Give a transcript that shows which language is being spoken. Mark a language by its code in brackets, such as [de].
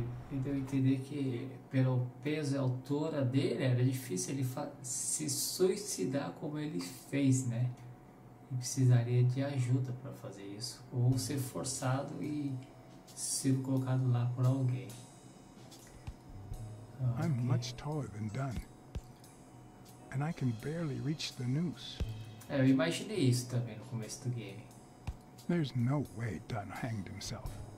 [pt] Deu a entender que, pelo peso e altura dele, era difícil ele se suicidar como ele fez, né? E precisaria de ajuda para fazer isso, ou ser forçado e ser colocado lá por alguém. Okay. [en] I'm much taller than Dunn, and I can barely reach the noose. [pt] Eu imaginei isso também no começo do game. [en] There's no way Dunn hanged himself.